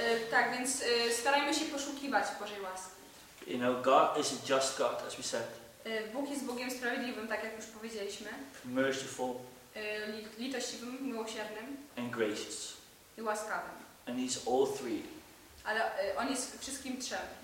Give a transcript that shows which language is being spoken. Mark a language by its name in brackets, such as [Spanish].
[Polish] Tak więc starajmy się poszukiwać Bożej łaski. [English] You know, God is a just God, as we said. [Polish] Bóg jest Bogiem sprawiedliwym, tak jak już powiedzieliśmy. [English] Merciful. [Polish] Litościwym, miłosiernym. [English] And gracious. [Polish] I łaskawym. [English] And He's all three. [Polish] Ale On jest wszystkim trzem.